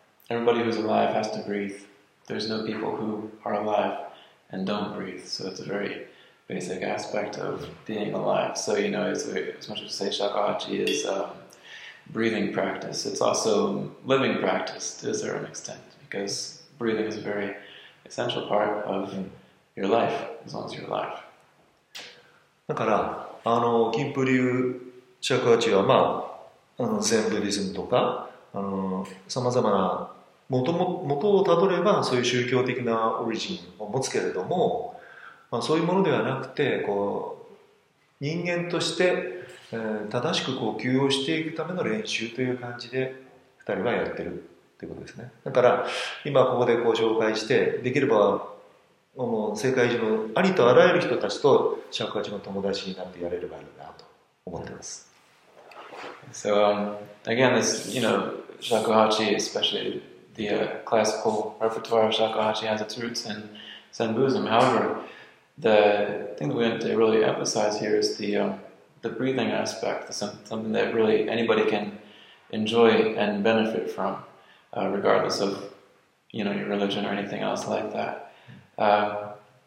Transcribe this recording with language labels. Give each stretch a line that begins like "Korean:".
English: Everybody who's alive has to breathe. There's no people who are alive and don't breathe. So it's a very basic aspect of being alive. So you know, as much as you say Shakuhachi is breathing practice, it's also living practice to a certain extent, because breathing is a very essential part of your life, as long as you're alive.
Japanese: だから、あの、金プリュー尺八は、まあ、あの、禅ブリズムとか、あの、様々な元をたどればそういう宗教的なオリジンを持つけれども、まあ、そういうものではなくて、こう、人間として正しく呼吸をしていくための練習という感じで2人はやってるということですね。だから今ここでこう紹介して、できればもう世界中のありとあらゆる人たちと尺八の友達になってやれればいいなと思ってます。
English: So again, this, you know, shakuhachi, especially the classical repertoire of shakuhachi, has its roots in Zen Buddhism. However, the thing that we want to really emphasize here is the breathing aspect, something that really anybody can enjoy and benefit from, regardless of, you know, your religion or anything else like that.